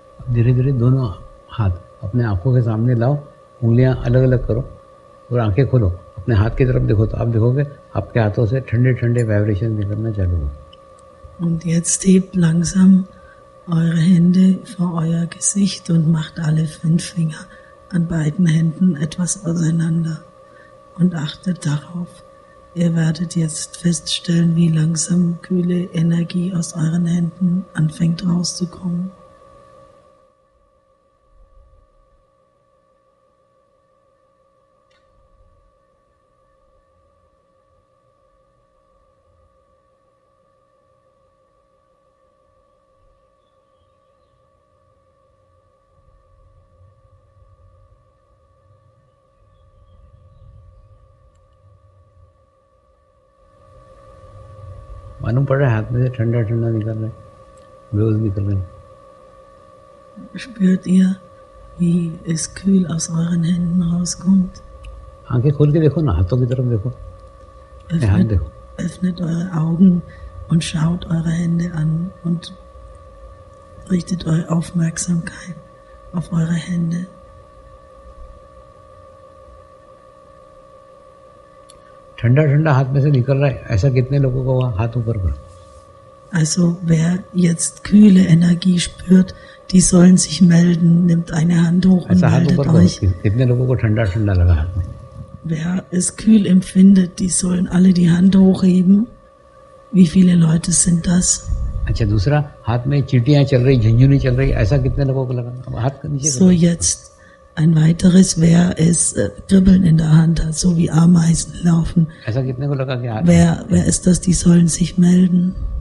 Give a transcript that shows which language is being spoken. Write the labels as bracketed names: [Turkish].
[Hindi] धीरे धीरे दोनों हाथ अपने आंखों के सामने लाओ उंगलियां अलग अलग करो और आंखें खोलो अपने हाथ की तरफ देखो तो आप देखोगे आपके हाथों से ठंडे ठंडे वाइब्रेशन निकलना चालू हो [German] und jetzt hebt langsam eure Hände vor euer Gesicht und macht alle fünf Finger an beiden Händen etwas auseinander und achtet darauf ihr werdet jetzt feststellen wie langsam kühle Energie aus euren Händen anfängt rauszukommen [Hindi] मालूम पड़ रहा है हाथ में से ठंडा ठंडा निकल रहा है वेव्स निकल रहे [German] spürt ihr wie es kühl aus euren händen rauskommt [Hindi] आंखें खोल के देखो ना हाथों की तरफ देखो हाथ देखो [German] öffnet eure augen und schaut eure hände an und richtet eure aufmerksamkeit auf eure hände [Hindi] ठंडा ठंडा हाथ में से निकल रहा है ऐसा कितने लोगों को हाथ ऊपर करो [German] also wer jetzt kühle energie spürt die sollen sich melden nimmt eine hand hoch und meldet euch [Hindi] कितने लोगों को ठंडा ठंडा लगा हाथ में [German] wer es kühl empfindet die sollen alle die hand hochheben wie viele leute sind das [Hindi] अच्छा दूसरा हाथ में चींटियां चल रही झुंझुनू चल रही ऐसा कितने लोगों को लगा हाथ के नीचे [German] so jetzt Ein weiteres, wer es kribbeln in der Hand hat, so wie Ameisen laufen. Wer ist das? Die sollen sich melden.